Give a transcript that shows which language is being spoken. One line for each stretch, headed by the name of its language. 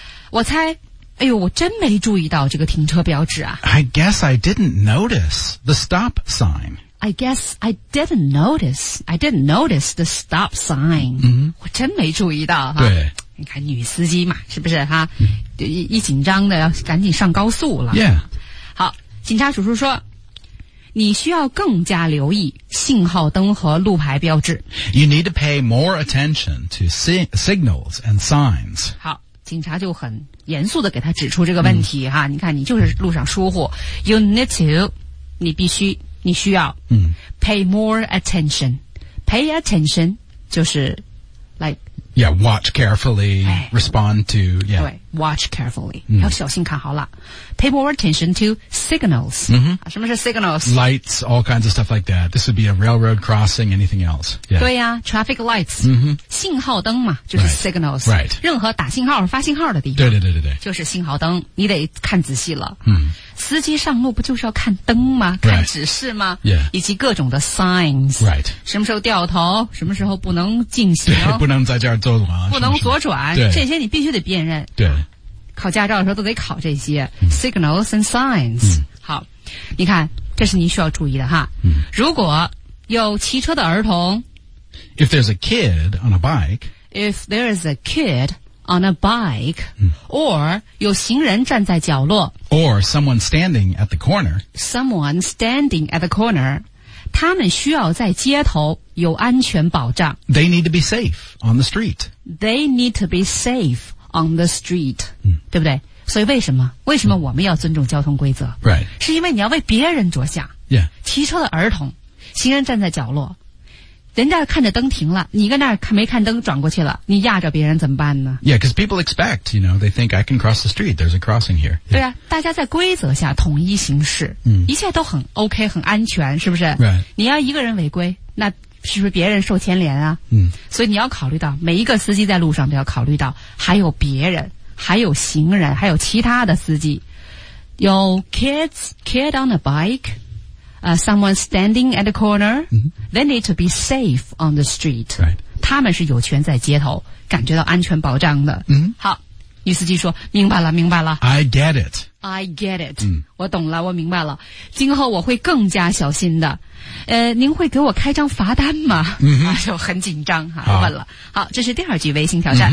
Chinese: 我猜哎呦我真没注意到这个停车标志啊
English: I guess I didn't notice the stop sign I guess I didn't notice I didn't notice the stop sign、 mm-hmm.
Chinese: 我真没注意到、啊、对你看女司机嘛是不是哈、mm-hmm. 一紧张的要赶紧上高速了
English: yeah
Chinese: 好警察叔叔说你需要更加留意信号灯和路牌标志。
English: You need to pay more attention to signals and signs.
Chinese: 好，警察就很严肃地给他指出这个问题、mm. 哈。你看，你就是路上疏忽。
English: You need to,
Chinese: 你必须，你需要、 mm.
English: pay more attention. Pay attention
Chinese: 就是
English: like, yeah, watch carefully,、
Chinese: 哎、
English: respond to, yeah. 对 watch carefully,、mm.
Chinese: 要小心看好了。
English: Pay more attention to signals.、 Mm-hmm.
Chinese: 什么是 signals?
English: Lights, all kinds of stuff like that. This would be a railroad crossing, anything else.、Yeah.
Chinese: 对呀、啊、
English: traffic lights.、 Mm-hmm.
Chinese: 信号灯嘛就是 signals.
English: Right.
Chinese: 任何打信号发信号的地方。对对对对对。就是信号灯你得看仔细了。嗯、mm-hmm.。司机上路不就是要看灯吗看指示吗、
English: right. yeah.
Chinese: 以及各种的 signs.
English: Right.
Chinese: 什么时候掉头什么时候不能进行。对不能在这儿走廊。不能左转对这些你必须得辨认。对。考驾照的时候都得考这些、嗯、
English: signals and signs、
Chinese: 嗯、好你看这是您需要注意的哈、嗯、如果有骑车的儿童
English: If there's a kid on a bike If there is a kid on a bike、
Chinese: 嗯、 Or 有行人站在角落
English: Or someone standing at the corner Someone standing at the corner
Chinese: 他们需要在街头有安全保障
English: They need to be safe on the street They need to be safe on the street、
Chinese: 嗯、对不对所以为什么我们要尊重交通规则、
English: right.
Chinese: 是因为你要为别人着想、
English: yeah.
Chinese: 骑车的儿童行人站在角落人家看着灯停了你跟那儿看没看灯转过去了你压着别人怎么办呢
English: yeah because people expect you know they think I can cross the street there's a crossing here、yeah.
Chinese: 对啊大家在规则下统一行事、嗯、一切都很 OK 很安全是不是、
English: right.
Chinese: 你要一个人违规那是不是别人受牵连啊嗯，所以你要考虑到每一个司机在路上都要考虑到还有别人还有行人还有其他的司机有
English: kid on a bike、someone standing at the corner、
Chinese: 嗯、
English: they need to be safe on the street、 right.
Chinese: 他们是有权在街头感觉到安全保障的嗯，好女司机说明白了明白了
English: I get it、嗯、
Chinese: 我懂了我明白了今后我会更加小心的您会给我开张罚单吗、 mm-hmm. 啊、就很紧张、啊、问了好这是第二句微信挑战、